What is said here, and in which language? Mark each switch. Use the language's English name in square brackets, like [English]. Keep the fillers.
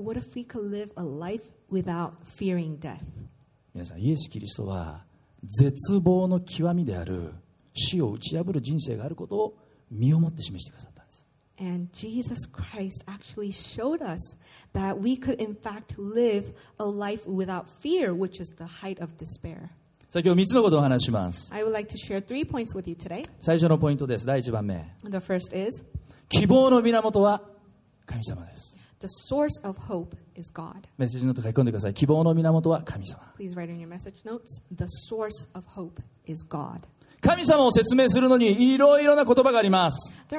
[English] what if we could live a life without fearing death? [Japanese] 皆さん、イエス・キリストは絶望の極みである死を打ち破る人生があることを身をもって示してくださった。 [English] And Jesus Christ actually showed us that we could, in fact, live a life without fear, which is the height of despair. 자, would like to share three points with you today. [Japanese] 最初のホイントてす第 [English] first is, [Japanese] 希望の源は神様です。The [English] source of hope is God. [Japanese] メッセージノート書き込んでください。希望の源は神様。Please [English] write in your message notes, the source of hope is God. [Japanese] 神様を説明するのにいろいろな言葉があります。